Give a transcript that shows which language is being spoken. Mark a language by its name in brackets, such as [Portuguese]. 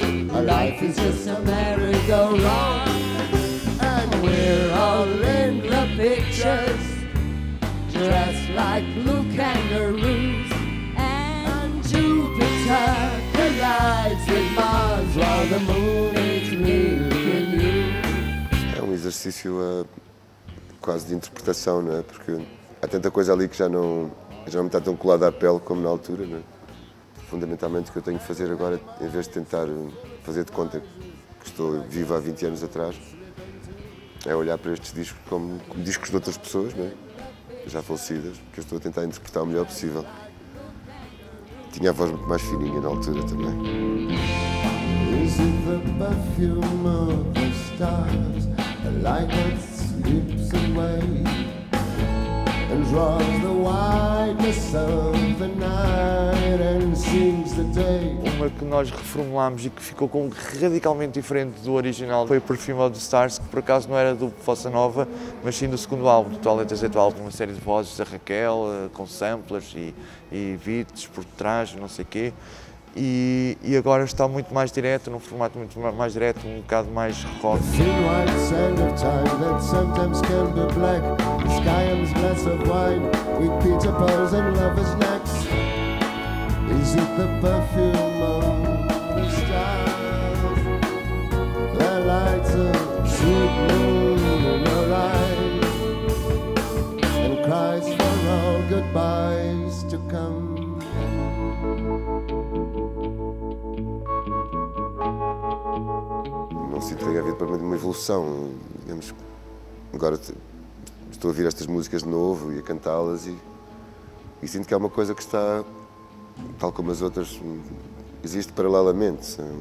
[English] Life is just a merry-go-round. We're all in the pictures, dressed like blue kangaroos, and Jupiter collides with Mars while the moon is milking you. [Portuguese] É um exercício quase de interpretação, não é? Porque há tanta coisa ali que já não me está tão colada à pele como na altura, não é? Fundamentalmente o que eu tenho que fazer agora, em vez de tentar fazer de conta que estou vivo há 20 anos atrás, é olhar para estes discos como discos de outras pessoas, né? Já falecidas, que eu estou a tentar interpretar o melhor possível. Tinha a voz muito mais fininha na altura também. [English] Is it the perfume of the stars, the light that slips away and draws the whiteness of the night and sings the day? [Portuguese] Uma que nós reformulámos e que ficou com radicalmente diferente do original foi o Perfume of the Stars, que por acaso não era do Fossa Nova, mas sim do segundo álbum, do Toilet Azeite, álbum, uma série de vozes da Raquel, com samplers e beats por trás, não sei quê. E agora está muito mais direto, num formato muito mais direto, um bocado mais rock. [English] The thin white sand of time that sometimes can be black, the sky and his glass of wine with Peter Pearls and lovers' necks. Is it the perfume of the stars that lights a sweet moon in your eyes and cries for all goodbyes to come? [Portuguese] Não sinto que tenha havido para mim uma evolução, digamos. Agora estou a ouvir estas músicas de novo e a cantá-las e sinto que há uma coisa que está, tal como as outras, existe paralelamente.